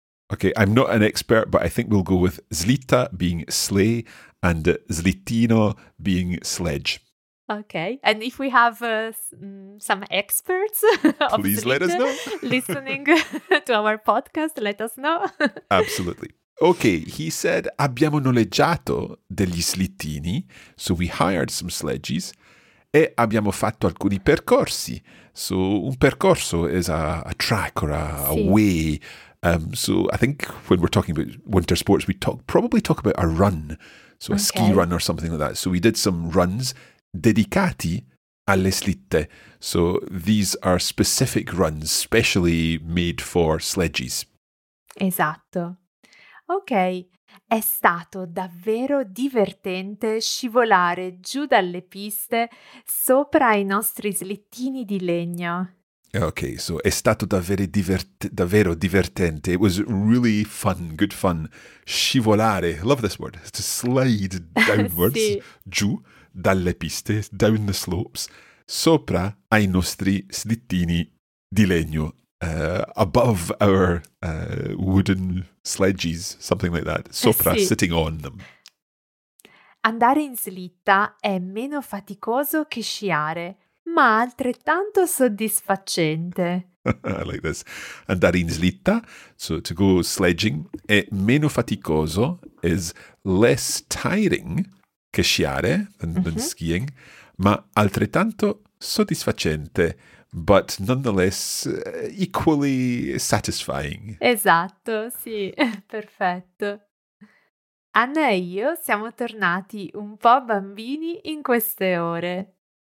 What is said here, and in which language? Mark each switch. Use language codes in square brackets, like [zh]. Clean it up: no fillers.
[en] Okay, I'm not an expert, but I think we'll go with slitta being sleigh and slittino being sledge. Okay, and if we have some experts please let us know. Listening to our podcast, let us know. Absolutely. Okay, he said, [it] abbiamo noleggiato degli slittini, [en] so we hired some sledges, [it] e abbiamo fatto alcuni percorsi. [en] So un percorso is a track or a way. So I think when we're talking about winter sports, we probably talk about a run, so a ski run or something like that. So we did some runs [it] dedicati alle slitte. [en] So these are specific runs specially made for sledges. [it] Esatto. Ok. È stato davvero divertente scivolare giù dalle piste sopra i nostri slittini di legno. Ok, so è stato davvero divertente. [en] It was really fun, good fun. Scivolare, love this word, to slide downwards, [it] sì. Giù dalle piste, [en] down the slopes, [it] sopra ai nostri slittini di legno. [en] Above our wooden sledges, something like that, sopra, [it] sì. [en] Sitting on them. [it] Andare in slitta è meno faticoso che sciare, ma altrettanto soddisfacente. [en] I like this. [it] Andare in slitta, [en] so to go sledging, [it] è meno faticoso, [en] is less tiring [it] che sciare, [en] than skiing, [it] ma altrettanto soddisfacente. [en] But nonetheless, equally satisfying. [it] Esatto, sì, perfetto. Anna e io siamo tornati un po' bambini in queste ore.